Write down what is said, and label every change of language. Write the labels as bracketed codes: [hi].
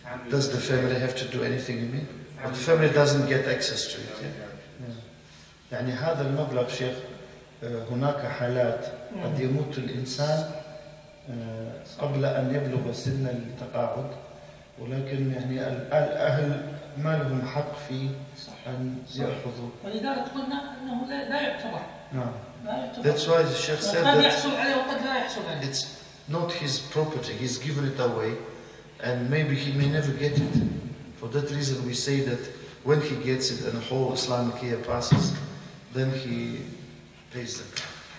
[en] Does the family have to do anything in me? But the family doesn't get access to it. [ar] يعني هذا المبلغ شيخ هناك حالات قد يموت الإنسان قبل أن يبلغ سن التقاعد ولكن يعني الأهل ما لهم حق في أن يأخذوا ولذلك قلنا أنه لا يعتبر نعم لا [en] That's why the Sheikh said [ar] that يحصل عليه وقد لا يحصل عليه [en] It's not his property, he's given it away and maybe he may never get it For that reason we say that when he gets it and the whole Islamic year passes then he pays the